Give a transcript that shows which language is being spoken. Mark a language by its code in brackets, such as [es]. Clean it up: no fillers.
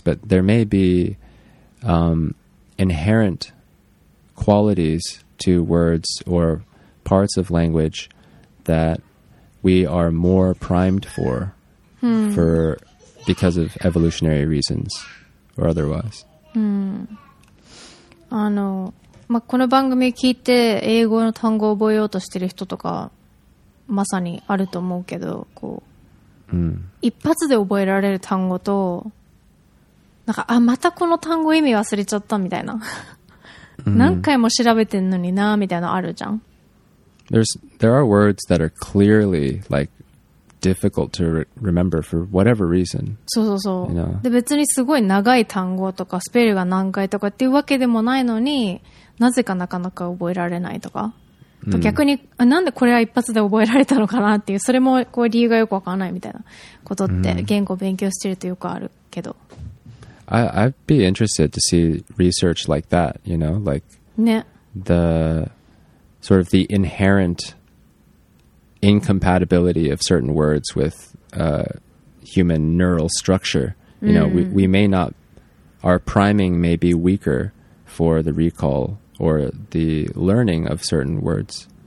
[en] But there may be inherent qualities to words or parts of language that we are more primed for for because of evolutionary reasons or otherwise. [ja] この番組聞いて英語の単語を覚えようとしてる人とかまさにあると思うけど、こう、一発で覚えられる単語と、なんか、あ、またこの単語意味忘れちゃったみたいな。何回も調べてんのになみたいなあるじゃん。 [en] There are words that are clearly like difficult to remember for whatever reason. [ja] そうそうそう。 [en] You know? [ja] で、別にすごい長い単語とかスペルが難解とかっていうわけでもないのに、なぜかなかなか覚えられないとか。と逆に、なんでこれは一発で覚えられたのかなっていう、それもこう理由がよくわからないみたいなことって、言語を勉強してるとよくあるけど。 [en] I'd be interested to see research like that, you know, like、 [ja] ね、 [en] the sort of the inherent incompatibility of certain words with、human neural structure. You know, we may not, our priming may be weaker for the recall or the learning of certain words.